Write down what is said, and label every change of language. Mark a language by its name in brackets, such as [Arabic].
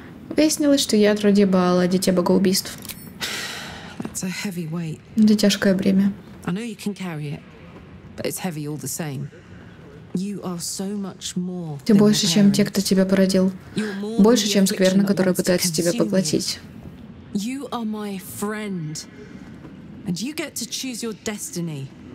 [Russian] Выяснилось, что я ядро Дебаала, дитя богоубийств. [English] It's a heavy weight. [Russian] Это тяжкое бремя. [English] I know you can carry it, but it's heavy all the same. You are so much more. [Russian] Ты больше, чем те, кто тебя породил. Больше, чем скверна, которая пытается тебя поглотить. [English] You are my friend, and you get to choose your destiny.